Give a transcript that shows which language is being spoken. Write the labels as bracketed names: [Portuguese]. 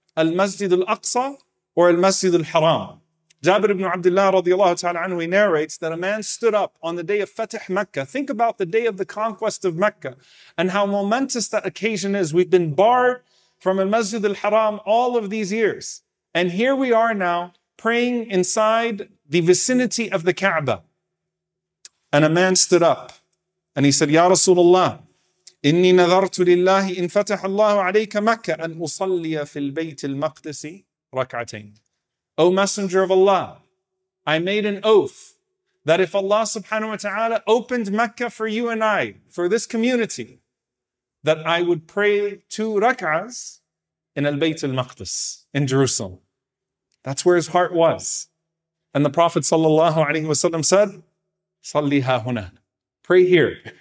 [English] Al-Masjid al-Aqsa or Al-Masjid al-Haram? Jabir ibn Abdullah radiallahu ta'ala anhu, he narrates that a man stood up on the day of Fatih Mecca. Think about the day of the conquest of Mecca and how momentous that occasion is. We've been barred from Al-Masjid al-Haram all of these years. And here we are now praying inside the vicinity of the Kaaba. And a man stood up and he said, [Arabic] Ya Rasulullah, إني نذرت لله إن فتح الله عليك مكة أن أصلي في البيت المقدس ركعتين. [English] O Messenger of Allah, I made an oath that if Allah subhanahu wa ta'ala opened Mecca for you and I, for this community, that I would pray 2 rak'ahs in al-Bayt al-Maqdis, in Jerusalem. That's where his heart was. And the Prophet sallallahu alayhi wa sallam said, [Arabic] Salli hahuna, [English] pray here.